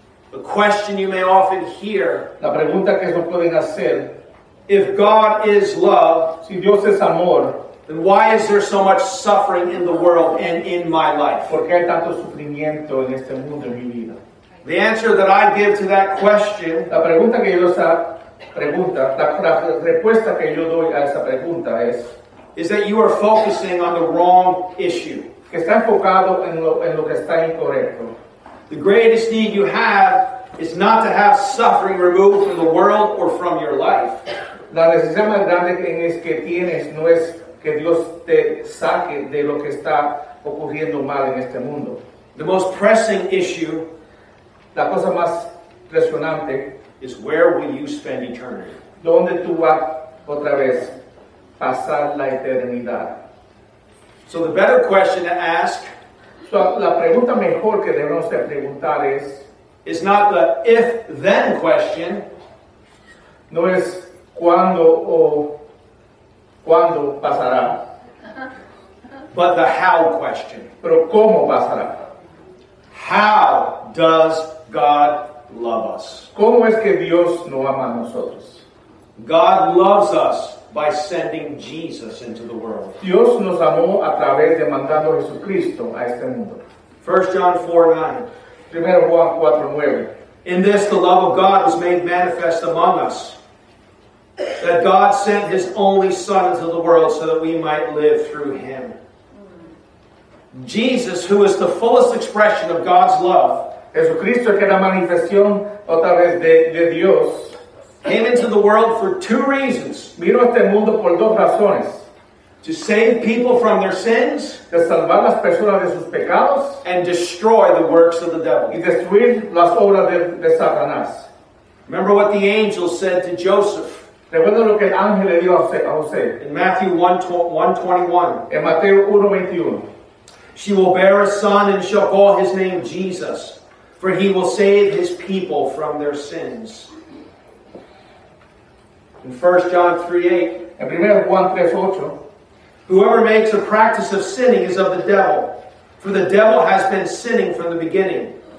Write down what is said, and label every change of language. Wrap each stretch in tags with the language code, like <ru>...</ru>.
<en>The question you may often hear,</en> <es>la pregunta que nos pueden hacer,</es> <en>if God is love,</en> <es>si Dios es amor,</es> <en>then why is there so much suffering in the world and in my life?</en> <es>¿Por qué hay tanto sufrimiento en este mundo en mi vida?</es> <en>The answer that I give to that question,</en> <es>la pregunta que yo esa pregunta, la respuesta que yo doy a esa pregunta es,</es> <en>is that you are focusing on the wrong issue.</en> <es>Que está enfocado en lo que está incorrecto.</es> <en>The greatest need you have is not to have suffering removed from the world or from your life.</en> <es>La necesidad más grande es que tienes no es que Dios te saque de lo que está ocurriendo mal en este mundo.</es> <en>The most pressing issue,</en> <es>la cosa más presionante,</es> <en>is where will you spend eternity?</en> <es>¿Dónde tú vas otra vez pasar la eternidad?</es> <en>So the better question to ask,</en> <es>so la pregunta mejor que debemos de preguntar es,</es> <en>is not the if-then question,</en> <es>no es cuándo o cuándo pasará,</es> <en>but the how question.</en> <es>Pero cómo pasará.</es> <en>How does God love us?</en> <es>¿Cómo es que Dios nos ama a nosotros?</es> <en>God loves us by sending Jesus into the world.</en> <es>Dios nos amó a través de mandando a Jesucristo a este mundo.</es> <en>1 John 4:9.</en> <es>Primero Juan 4:9.</es> <en>In this the love of God was made manifest among us, that God sent his only Son into the world so that we might live through him. Jesus, who is the fullest expression of God's love,</en> <es>Jesucristo, que era manifestación otra vez de Dios,</es> <en>came into the world for two reasons.</en> <es>Vino a este mundo por dos razones.</es> <en>To save people from their sins,</en> <es>de salvar las personas de sus pecados,</es> <en>and destroy the works of the devil,</en> <es>y destruir las obras de Satanás.</es> <en>Remember what the angel said to Joseph.</en> <es>Recuerda lo que el ángel le dio a José.</es> <en>In Matthew 1:21.</en> <es>En Mateo 1:21.</es> <en>She will bear a son and shall call his name Jesus, for he will save his people from their sins. In 1 John 3:8,</en> <es>en primero Juan 3:8,</es> <en>whoever makes a practice of sinning is of the devil, for the devil has been sinning from the beginning.</en>